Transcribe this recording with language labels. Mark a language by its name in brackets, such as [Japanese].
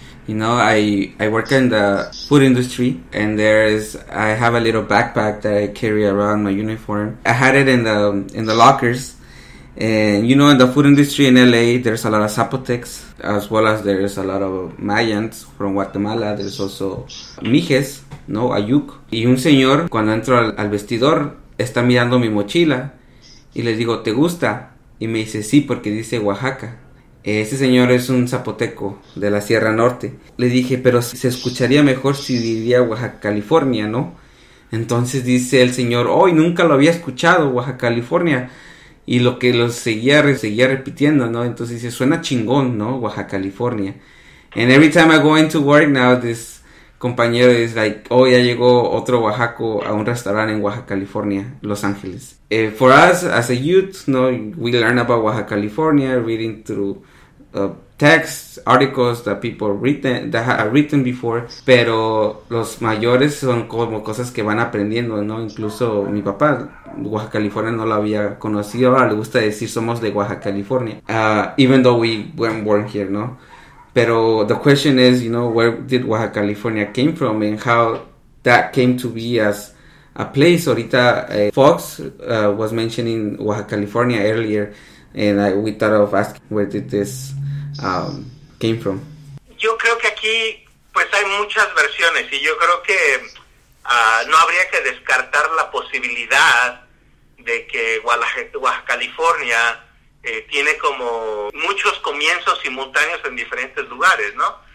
[English] You know, I work in the food industry, and I have a little backpack that I carry around my uniform. I had it in the lockers. And, you know, in the food industry in LA, there's a lot of Zapotecs, as well as there's a lot of Mayans from Guatemala. There's also Mijes, ¿no? Ayuk. [Spanish] Y un señor, cuando entro al vestidor, está mirando mi mochila. Y le digo, ¿te gusta? Y me dice, sí, porque dice Oaxaca. Ese señor es un zapoteco de la Sierra Norte. Le dije, pero se escucharía mejor si diría Oaxaca, California, ¿no? Entonces dice el señor, hoy nunca lo había escuchado, Oaxaca, California. Y lo que lo seguía repitiendo, ¿no? Entonces dice, suena chingón, ¿no? Oaxaca, California. [English] And every time I go into work now, this compañero is like, oh, [Spanish] ya llegó otro Oaxaco a un restaurante en Oaxaca, California, Los Ángeles. [English] For us, as a youth, ¿no? We learn about Oaxaca, California, reading through texts, articles that people written, that have written before. [Spanish] Pero los mayores son como cosas que van aprendiendo, ¿no? Incluso mi papá, Oaxaca, California, no lo había conocido. Ahora le gusta decir, somos de Oaxaca, California. [English] Even though we weren't born here, ¿no? Pero the question is, you know, where did Oaxaca, California came from and how that came to be as a place. Ahorita Fox was mentioning Oaxaca, California earlier, and we thought of asking where did this came from. [Spanish] Yo creo que aquí, pues hay muchas versiones, y yo creo que no habría que descartar la posibilidad de que Oaxaca, California tiene como muchos comienzos simultáneos en diferentes lugares, ¿no?